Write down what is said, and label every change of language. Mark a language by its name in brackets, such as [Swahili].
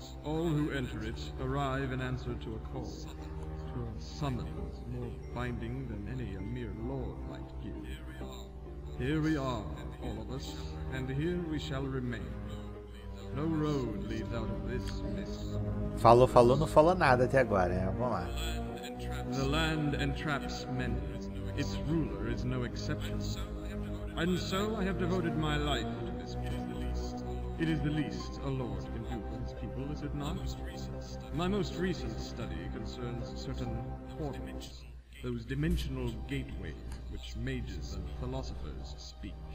[English] All who enter it arrive in answer to a call, to a summons more binding than any a mere lord might give. Here we are, all of us, and here we shall remain. No road leads out of this mist. [Portuguese] Falou, não falou nada até agora, né? Vamos lá. [English] The land entraps men. Its ruler is no exception. And so I have devoted my life to this place. It is the least a lord can do for his people, is it not? My most recent study concerns certain portals, those dimensional gateways which mages and philosophers speak.